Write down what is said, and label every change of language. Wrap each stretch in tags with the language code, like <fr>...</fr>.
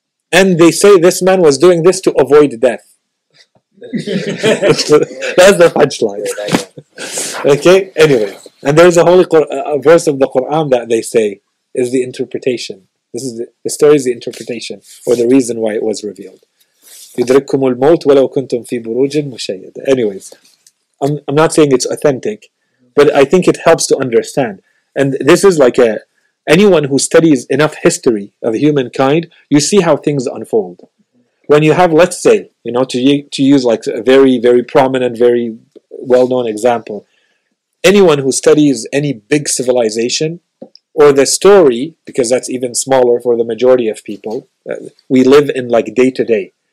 <en>And they say this man was doing this to avoid death. That's the punchline. Okay, anyway. And there's a whole verse of the Quran that they say is the interpretation. This is the story is the interpretation or the reason why it was revealed.</en> <ar>يدرككم الموت ولو كنتم في بروج مشيد.</ar> <en>Anyways, I'm not saying it's authentic, but I think it helps to understand. And this is like anyone who studies enough history of humankind, you see how things unfold. When you have, let's say, to use like a very, very prominent, very well-known example, anyone who studies any big civilization, or the story, because that's even smaller for the majority of people, we live in like day to day.</en>